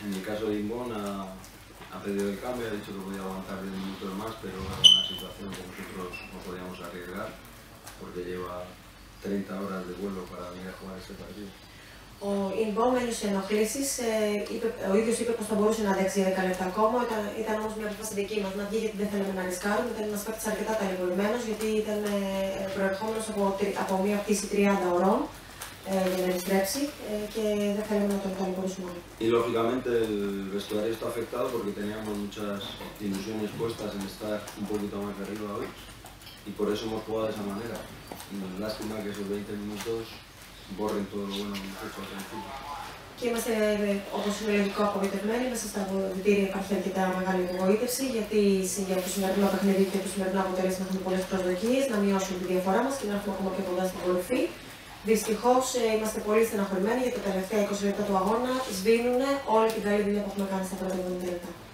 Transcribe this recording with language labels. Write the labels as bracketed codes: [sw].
[es] En el caso de Imbona, ha pedido el cambio, ha dicho que podía aguantar 10 minutos más, pero era una situación que nosotros no podíamos arriesgar, porque lleva 30 horas de vuelo para venir a jugar este partido. [el] Οι επόμενες ενοχλήσεις, ο ίδιος είπε πως θα μπορούσε να αντέξει 10 λεπτά ακόμα, ήταν όμως μια αποφάση δική μας να βγει γιατί δεν θέλαμε να ρισκάρουμε, ήταν ένας παίκτης αρκετά ταλαιπωρημένος γιατί ήταν προερχόμενος από μια πτήση 30 ώρων για να επιστρέψει και δεν θέλαμε να τον ταλαιπωρήσουμε όλοι. [es] Y lógicamente el vestuario está afectado porque teníamos muchas ilusiones puestas en estar un poquito más arriba hoy y por eso hemos jugado de esa manera. Lástima que esos 20 minutos borren todo lo bueno que hemos hecho. [el] Και είμαστε όπως είναι λογικό απογοητευμένοι. Μέσα στα βοητήρια υπάρχει αρκετά μεγάλη απογοήτευση γιατί για το σημερινό παιχνίδι και το σημερινό αποτέλεσμα έχουμε πολλές προσδοκίες να μειώσουμε τη διαφορά μας και να έρθουμε ακόμα πιο κοντά στην κορυφή. Δυστυχώς είμαστε πολύ στεναχωρημένοι γιατί τα τελευταία 20 λεπτά του αγώνα σβήνουν όλη την καλή δουλειά που έχουμε κάνει στα πρώτα 20 λεπτά.